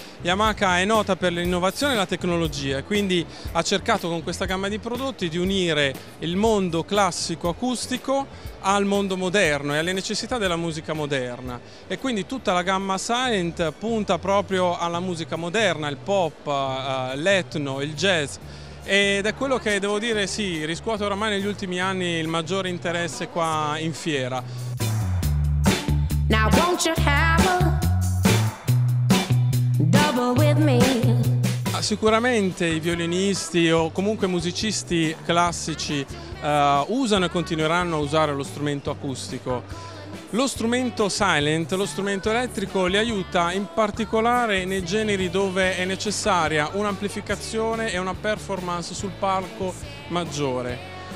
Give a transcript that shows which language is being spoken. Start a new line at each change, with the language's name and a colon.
Italian: Yamaha è nota per l'innovazione e la tecnologia, quindi ha cercato con questa gamma di prodotti di unire il mondo classico acustico al mondo moderno e alle necessità della musica moderna. E quindi tutta la gamma Silent punta proprio alla musica moderna, il pop, l'etno, il jazz. Ed è quello che devo dire, sì, riscuote oramai negli ultimi anni il maggiore interesse qua in fiera.
English: Now won't you have a double with me?
Italian: Sicuramente i violinisti o comunque musicisti classici usano e continueranno a usare lo strumento acustico. Lo strumento silent, lo strumento elettrico, li aiuta in particolare nei generi dove è necessaria un'amplificazione e una performance sul palco maggiore.